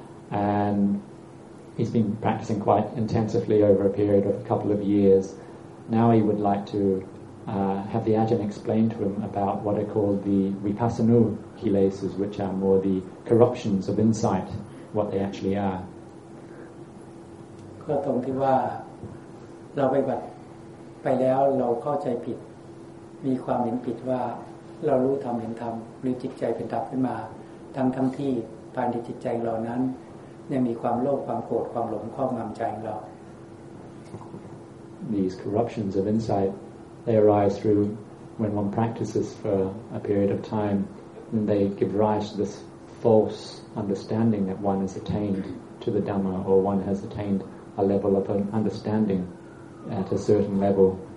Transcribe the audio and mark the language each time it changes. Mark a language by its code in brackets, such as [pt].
[en] And he's been practicing quite intensively over a period of a couple of years. Now he would like to have the Ajahn explain to him about what are called the vipassanu kilesas, which are more the corruptions of insight, what they actually are. [th] ก็ตรงที่ว่าเราไปบัดไปแล้วเราเข้าใจผิดมีความเห็นผิดว่าเรารู้ธรรมเห็นธรรมหรือจิตใจเป็นดับขึ้นมาทั้งที่ภายในจิตใจเรานั้นยังมีความโลภความโกรธความหลงครอบงำใจเรา [en] These corruptions of insight they arise through when one practices for a period of time and they give rise to this false understanding that one has attained to the Dhamma or one has attaineda level of an understanding at a certain level.